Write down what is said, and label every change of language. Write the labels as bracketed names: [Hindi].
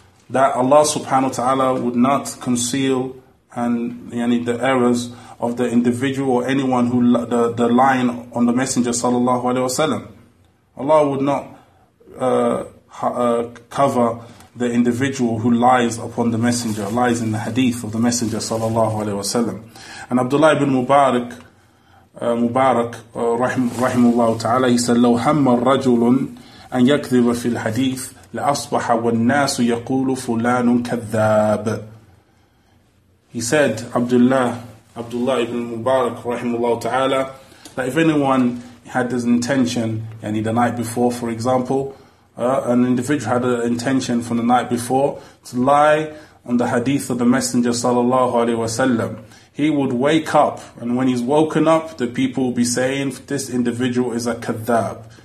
[English] That Allah subhanahu wa ta'ala would not conceal and yani the errors of the individual or anyone who the line on the Messenger sallallahu alayhi wa sallam. Allah would not cover the individual who lies upon the Messenger, lies in the hadith of the Messenger sallallahu alayhi wa sallam. [Arabic] And Abdullah ibn Mubarak, rahimullah ta'ala, [English] he said, [Arabic] لو هم الرجل أن يكذب في الحديث لأصبح والناس يقول فلان كذاب. [English] He said, Abdullah ibn Mubarak, rahimullah ta'ala, that if anyone had this intention, yani the night before, for example, an individual had an intention from the night before to lie on the hadith of the Messenger sallallahu alaihi wasallam, he would wake up, and when he's woken up, the people will be saying, this individual is a kadhab.